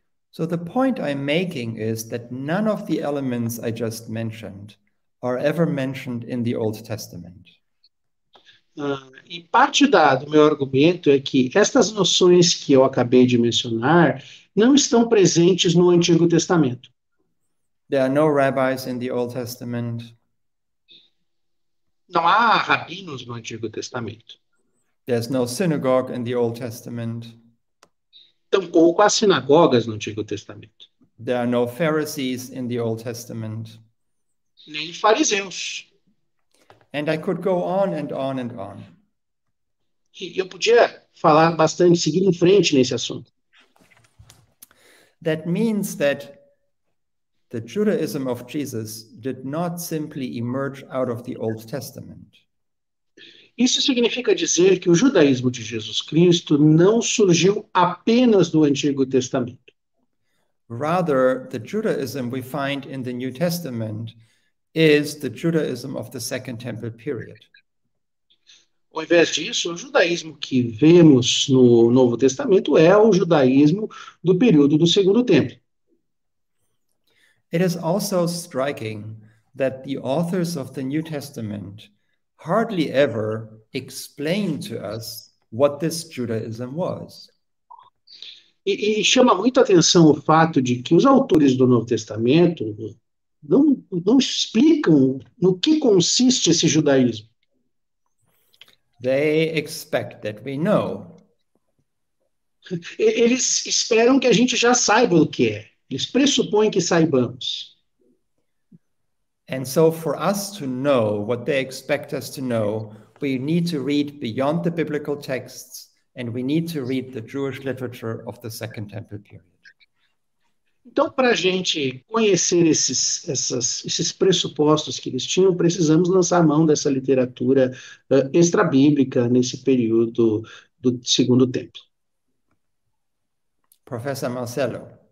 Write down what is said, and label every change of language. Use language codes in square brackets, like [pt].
[en] So the point I'm making is that none of the elements I just mentioned are ever mentioned in the Old Testament. [pt] E parte do meu argumento é que estas noções que eu acabei de mencionar não estão presentes no Antigo Testamento. [en] There are no rabbis in the Old Testament. [pt] Não há rabinos no Antigo Testamento. [en] There's no synagogue in the Old Testament. [pt] Tampouco há sinagogas no Antigo Testamento. [en] There are no Pharisees in the Old Testament. [pt] Nem fariseus. [en] And I could go on and on and on. [pt] Eu podia falar bastante, seguir em frente nesse assunto. [en] That means that the Judaism of Jesus did not simply emerge out of the Old Testament. [pt] Isso significa dizer que o judaísmo de Jesus Cristo não surgiu apenas do Antigo Testamento. [en] Rather, the Judaism we find in the New Testament is the Judaism of the Second Temple period. [pt] Ao invés disso, o judaísmo que vemos no Novo Testamento é o judaísmo do período do Segundo Templo. [en] It is also striking that the authors of the New Testament hardly ever explain to us what this Judaism was. [pt] E chama muito a atenção o fato de que os autores do Novo Testamento não explicam no que consiste esse judaísmo. [en] They expect that we know. [pt] Eles esperam que a gente já saiba o que é. Eles pressupõem que saibamos. [en] And so for us to know what they expect us to know, we need to read beyond the biblical texts and we need to read the Jewish literature of the Second Temple period. [pt] Então, para a gente conhecer esses pressupostos que eles tinham, precisamos lançar a mão dessa literatura extra-bíblica nesse período do Segundo Templo. Professor Marcelo.